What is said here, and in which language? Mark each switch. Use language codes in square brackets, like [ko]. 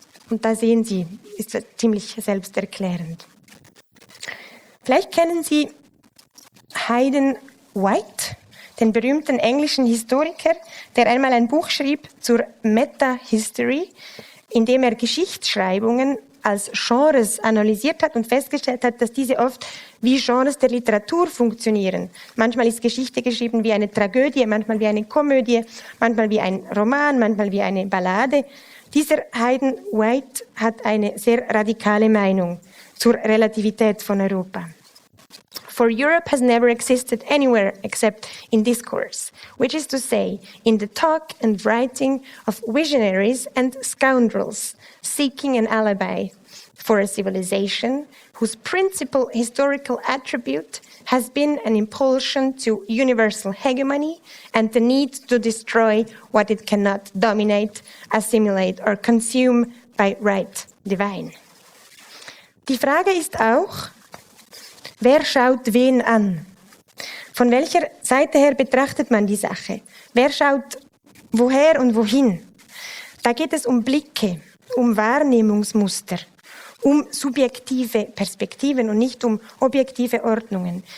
[de] Und da sehen Sie, ist ziemlich selbsterklärend. Vielleicht kennen Sie Hayden White, den berühmten englischen Historiker, der einmal ein Buch schrieb zur Meta-History, in dem er Geschichtsschreibungen als Genres analysiert hat und festgestellt hat, dass diese oft wie Genres der Literatur funktionieren. Manchmal ist Geschichte geschrieben wie eine Tragödie, manchmal wie eine Komödie, manchmal wie ein Roman, manchmal wie eine Ballade. Dieser Hayden White hat eine sehr radikale Meinung zur Relativität von Europa. [en] For Europe has never existed anywhere except in discourse, which is to say, in the talk and writing of visionaries and scoundrels seeking an alibi for a civilization whose principal historical attribute has been an impulsion to universal hegemony and the need to destroy what it cannot dominate, assimilate or consume by right divine. [de] Die Frage ist auch, wer schaut wen an? Von welcher Seite her betrachtet man die Sache? Wer schaut woher und wohin? Da geht es um Blicke, um Wahrnehmungsmuster, um subjektive Perspektiven und nicht um objektive Ordnungen.